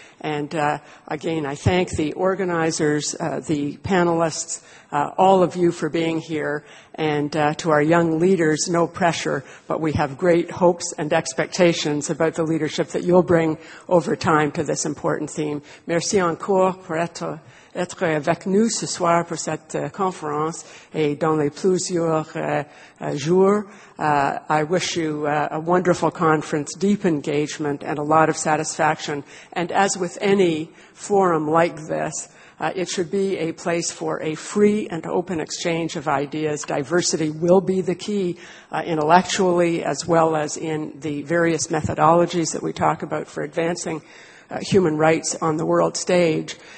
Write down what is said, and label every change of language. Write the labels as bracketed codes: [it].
[en] And again, I thank the organizers, the panelists, all of you for being here, and to our young leaders, no pressure, but we have great hopes and expectations about the leadership that you'll bring over time to this important theme. [fr] Merci encore pour être avec nous ce soir pour cette conférence et dans les plusieurs jours. [en] I wish you a wonderful conference, deep engagement, and a lot of satisfaction. And as with any forum like this, it should be a place for a free and open exchange of ideas. Diversity will be the key intellectually as well as in the various methodologies that we talk about for advancing human rights on the world stage.